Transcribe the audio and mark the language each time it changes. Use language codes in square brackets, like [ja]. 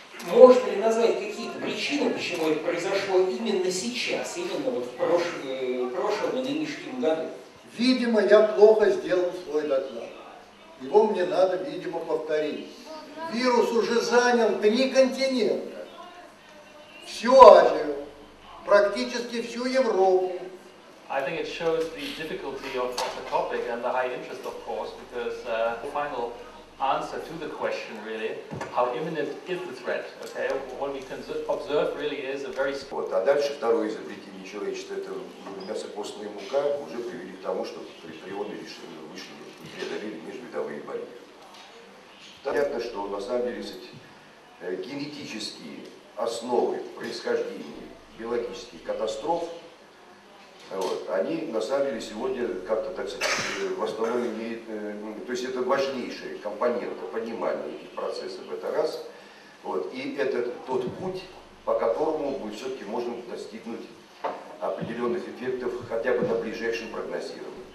[ru] Можно ли назвать какие-то причины, почему это произошло именно сейчас, именно вот в прошлом и нынешнем году? Видимо, я плохо сделал свой доклад. Его мне надо, видимо, повторить. Вирус уже занял 3 континента, всю Азию, практически всю Европу. [en] I think it shows the difficulty of the topic and the high interest, of course, because the final answer to the question, really, how imminent is the threat, okay? What we can observe really is a very... [ru] Вот, а дальше второе изобретение человечества, это мясокостная мука, уже привели к тому, что прионы вышли и преодолели межвидовые барьеры. Понятно, что на самом деле генетические основы происхождения биологических катастроф, вот, они на самом деле сегодня как-то, так сказать, в основном имеют, то есть это важнейшая компонента понимания этих процессов, это раз, вот, и это тот путь, по которому мы все-таки можем достигнуть определенных эффектов хотя бы на ближайшем прогнозировании.